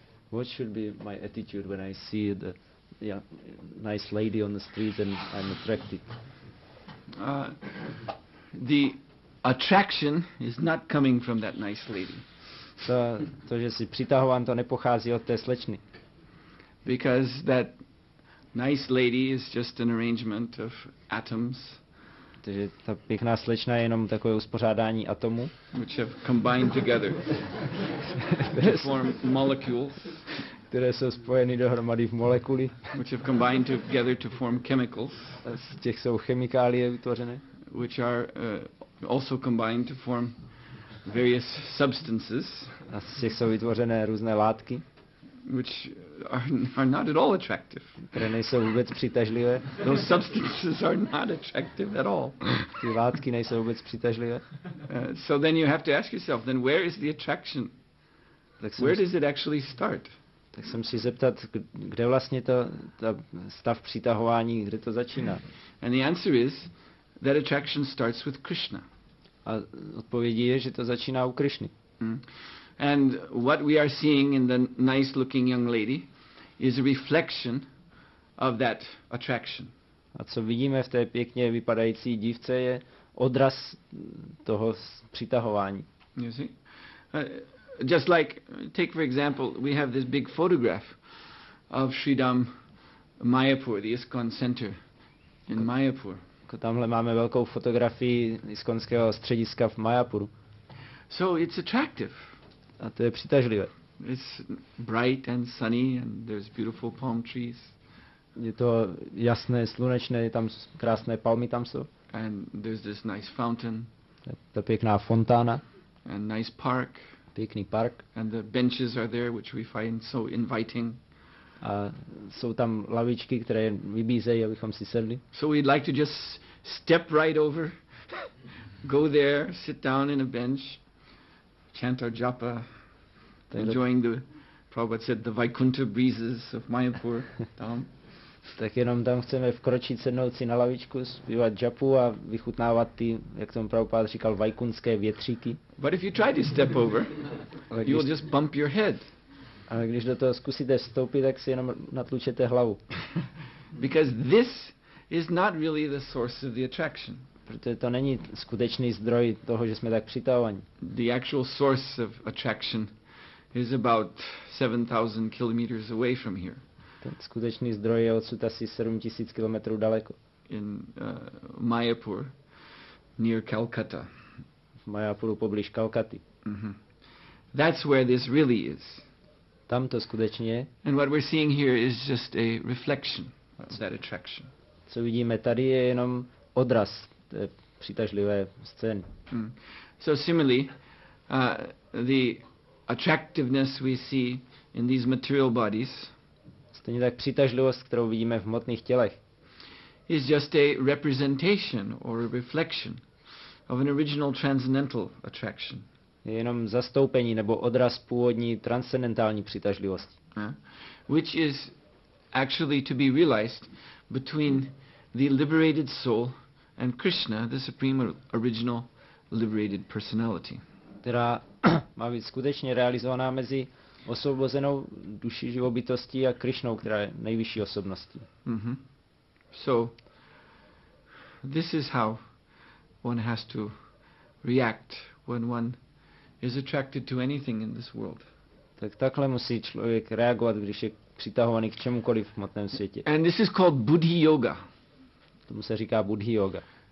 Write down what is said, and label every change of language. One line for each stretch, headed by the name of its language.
English: What should be my attitude when I see the nice lady on the street and I'm attracted? The attraction is not coming from that nice lady.
Czech: To, že si přitahován, to nepochází od té slečny.
English: Because that nice lady is just an arrangement of atoms.
Czech: Takže ta pěkná slečna je jenom takové uspořádání atomů.
English: Which have combined together to form molecules.
Czech: Které jsou spojeny dohromady v molekuly.
English: Which have combined together to form chemicals.
Czech: Z těch jsou chemikálie vytvořené.
English: Which are also combined to form various substances.
Czech: A z těch jsou vytvořené různé látky.
English: Which are not at all attractive.
Czech: Které nejsou vůbec přitažlivé.
English: Those substances are not attractive at all.
Czech: Ty látky nejsou vůbec přitažlivé.
English: So then you have to ask yourself, then where is the attraction? Where does it actually start?
Czech: Tak se musí zeptat, kde vlastně ta stav přitahování, kde to začíná.
English: And the answer is that attraction starts with Krishna.
Czech: A odpověď je, že to začíná u Krishny. Mm.
English: And what we are seeing in the nice-looking young lady is a reflection of that attraction.
Czech: A co vidíme v té pěkně vypadající dívce je odraz toho přitahování.
English: You see? Just like, take for example, we have this big photograph of Sridham Mayapur, the ISKCON center in Mayapur.
Czech: tamhle máme velkou fotografii iskonského střediska v Mayapuru.
English: So it's attractive.
Czech: A to je přitažlivé.
English: It's bright and sunny and there's beautiful palm trees.
Czech: Je to jasné, slunečné, tam jsou krásné palmy tam jsou.
English: And there's this nice fountain.
Czech: Ta pěkná fontána.
English: And nice park.
Czech: Pěkný park.
English: And the benches are there, which we find so inviting.
Czech: A jsou tam lavičky, které vybízejí, abychom si sedli.
English: So we'd like to just step right over, go there, sit down in a bench, chant our japa, enjoying the, Prabhupada said, the Vaikuntha breezes of Mayapur.
Czech: Tam. Tak jenom tam chceme vkročit, sednout si na lavičku, zpívat japu a vychutnávat ty, jak tomu Prabhupada říkal, vaikunské větříky.
English: But if you try to step over, you will just bump your head.
Czech: Ale když do toho zkusíte vstoupit, tak si jenom natlučete hlavu.
English: Because this is not really the source of the attraction.
Czech: Protože to není skutečný zdroj toho, že jsme tak přitahovaní.
English: The actual source of attraction is about 7,000 kilometers away from here.
Czech: Ten skutečný zdroj je odsud asi 7,000 kilometrů daleko.
English: In Mayapur, near Calcutta.
Czech: V Mayapuru poblíž Kalkaty.
English: That's where this really is.
Czech: Tam to skutečně je.
English: And what we're seeing here is just a reflection of that attraction.
Czech: Co vidíme tady je jenom odraz té přitažlivé scény.
English: So similarly, the attractiveness we see in these material bodies.
Czech: Stejně tak přitažlivost, kterou vidíme v hmotných tělech.
English: Is just a representation or a reflection of an original transcendental attraction.
Czech: Je jenom zastoupení nebo odraz původní transcendentální přitažlivosti.
English: Which is actually to be realized between the liberated soul and Krishna, the supreme original liberated personality.
Czech: Která má být skutečně realizovaná mezi osvobozenou duší živobytostí a Krišnou, která je nejvyšší osobností.
English: So this is how one has to react when one is attracted to anything in this world.
Czech: Tak takhle musí člověk reagovat, když je přitahovaný k čemukoliv v hmotném světě.
English: And this is called buddhi yoga.
Czech: Tomu se říká buddhi yoga.